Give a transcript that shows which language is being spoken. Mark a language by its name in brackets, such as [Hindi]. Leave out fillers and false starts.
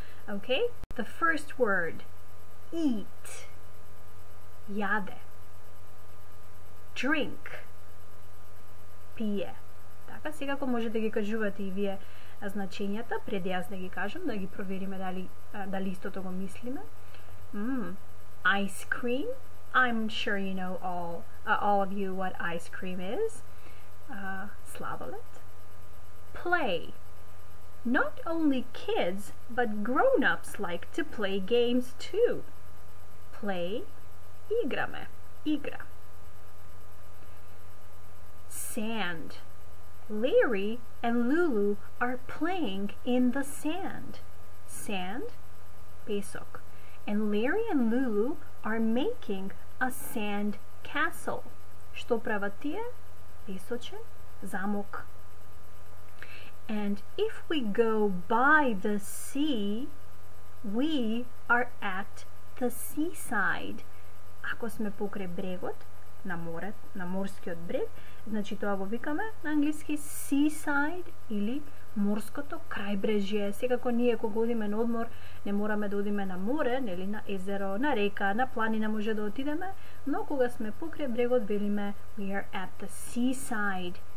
[English] Okay, the first word, eat, [Macedonian] јаде. [English] Drink, [Macedonian] пие. Така, секако може да ги кажувате и вие значењата, пред јас да ги кажам, да ги провериме дали истото го мислиме. [English] Ice cream. I'm sure you know all of you what ice cream is. [Macedonian] Slavolet. [English] Play. Not only kids, but grown-ups like to play games too. Play. [Macedonian] Играме. Игра. [English] Sand. Larry and Lulu are playing in the sand. Sand. [Macedonian] Песок. [English] And Larry and Lulu are making a sand castle. [Macedonian] Што прават тие? Песочен замок. [English] And if we go by the sea, we are at the seaside. [Macedonian] Ако сме покрај брегот, на море, на морскиот брег, значи тоа го викаме на англиски seaside или морското крајбрежје. Секако ние кога одиме на одмор, не мораме да одиме на море, нели на езеро, на река, на планина може да отидеме, но кога сме покрај брегот велиме [English] we are at the seaside.